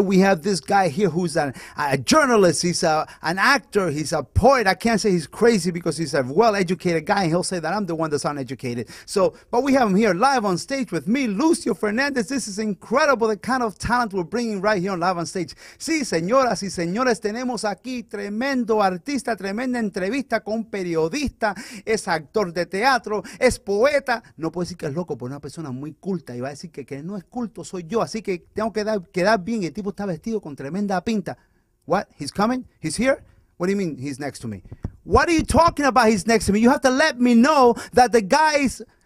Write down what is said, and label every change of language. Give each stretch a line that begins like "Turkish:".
English: We have this guy here who's a journalist. He's an actor. He's a poet. I can't say he's crazy because he's a well-educated guy. He'll say that I'm the one that's uneducated. But we have him here live on stage with me, Lucio Fernandez. This is incredible, the kind of talent we're bringing right here on Live on Stage.
Spanish: Sí, señoras y señores, tenemos aquí tremendo artista, tremenda entrevista con un periodista. Es actor de teatro, es poeta. No puedo decir que es loco por una persona muy culta y va a decir que no es culto soy yo, así que tengo que quedar bien. El tipo está vestido con tremenda pinta.
English: What? He's coming? He's here? What do you mean he's next to me? What are you talking about he's next to me? You have to let me know that the guy's...